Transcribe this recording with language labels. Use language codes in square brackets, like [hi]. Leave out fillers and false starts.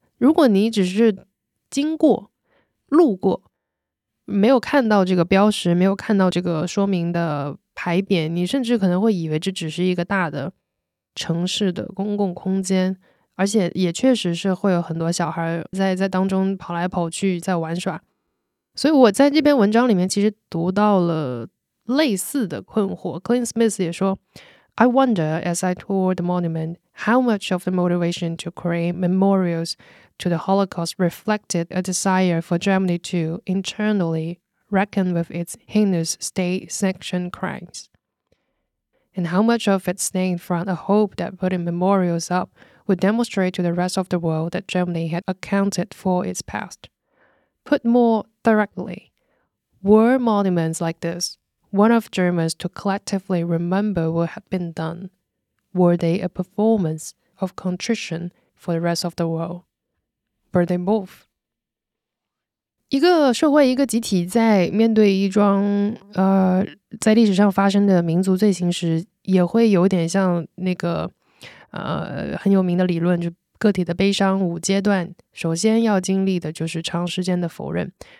[zh] 如果你只是经过路过，没有看到这个标识，没有看到这个说明的牌匾，你甚至可能会以为这只是一个大的城市的公共空间，而且也确实是会有很多小孩在当中跑来跑去在玩耍。所以我在这篇文章里面其实读到了类似的困惑。 [en] Clint Smith [zh] 也说， [en] I wonder as I tour the monument how much of the motivation to create memorialsto the Holocaust reflected a desire for Germany to internally reckon with its heinous state-sanctioned crimes, and how much of it stemmed from a hope that putting memorials up would demonstrate to the rest of the world that Germany had accounted for its past. Put more directly, were monuments like this one of Germans to collectively remember what had been done? Were they a performance of contrition for the rest of the world? Birthday move。 [zh] 一个社会，一个集体在面对一桩在历史上发生的民族罪行时，也会有点像那个很有名的理论，就个体的悲伤五阶段，首先要经历的就是长时间的否认。